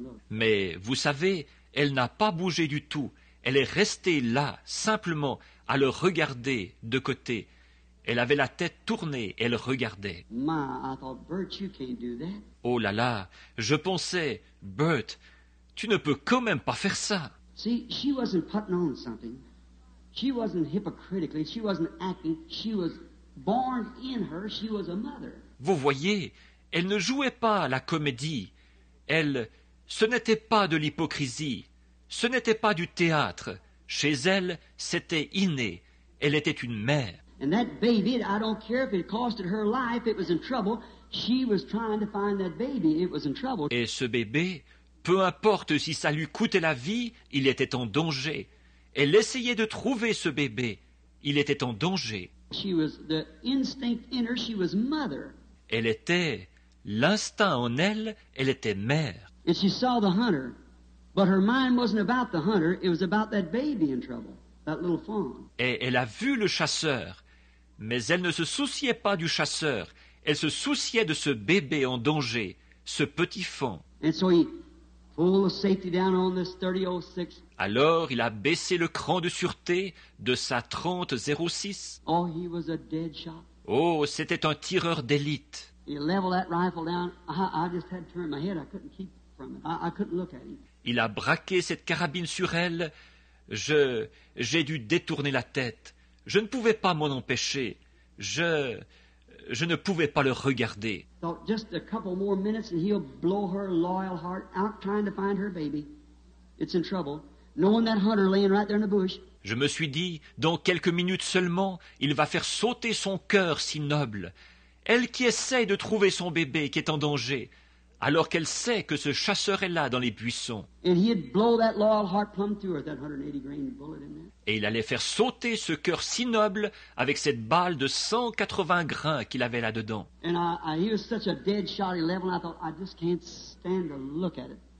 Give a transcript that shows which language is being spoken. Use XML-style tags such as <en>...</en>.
<fr>Mais vous savez, elle n'a pas bougé du tout. Elle est restée là, simplement, à le regarder de côté. Elle avait la tête tournée, elle regardait.</fr> <en>My, I thought, Bert, you can't do that.</en> <fr>Oh là là, je pensais, Bert, tu ne peux quand même pas faire ça.</fr> <en>See, she wasn't putting on something. She wasn't hypocritically, she wasn't acting. She was born in her, she was a mother.</en> <fr>Vous voyez, elle ne jouait pas à la comédie. Elle, ce n'était pas de l'hypocrisie. Ce n'était pas du théâtre. Chez elle, c'était inné. Elle était une mère.</fr> <en>And that baby, I don't care if it costed her life, it was in trouble. She was trying to find that baby. It was in trouble.</en> <fr>Et ce bébé, peu importe si ça lui coûtait la vie, il était en danger. Elle essayait de trouver ce bébé. Il était en danger.</fr> <en>She was the instinct in her. She was mother.</en> <fr>Elle était l'instinct en elle. Elle était mère.</fr> <en>And she saw the hunter, but her mind wasn't about the hunter. It was about that baby in trouble, that little fawn.</en> <fr>Et elle a vu le chasseur, mais elle ne se souciait pas du chasseur. Elle se souciait de ce bébé en danger, ce petit fawn.</fr> <en>And so he pulled the safety down on this 30-06.</en> <fr>Alors, il a baissé le cran de sûreté de sa 30-06.</fr> <en>Oh, he was a dead shot.</en> <fr>Oh, c'était un tireur d'élite.</fr> <en>He leveled that rifle down. I just had to turn my head. I couldn't keep from it. I couldn't look at him.</en> <fr>Il a braqué cette carabine sur elle. J'ai dû détourner la tête. Je ne pouvais pas m'en empêcher. Je ne pouvais pas le regarder.</fr> <en>Thought just a couple more minutes and he'll blow her loyal heart out trying to find her baby. It's in trouble. Knowing that hunter laying right there in the bush.</en> <fr>Je me suis dit, dans quelques minutes seulement, il va faire sauter son cœur si noble. Elle qui essaie de trouver son bébé qui est en danger, alors qu'elle sait que ce chasseur est là dans les buissons.</fr> <en>And he'd blow that loyal heart plumb through with that 180 grain bullet in there.</en> <fr>Et il allait faire sauter ce cœur si noble avec cette balle de 180 grains qu'il avait là-dedans.</fr> <en>And he was such a dead shot, 11, I thought, I just can't stand to look at it.</en>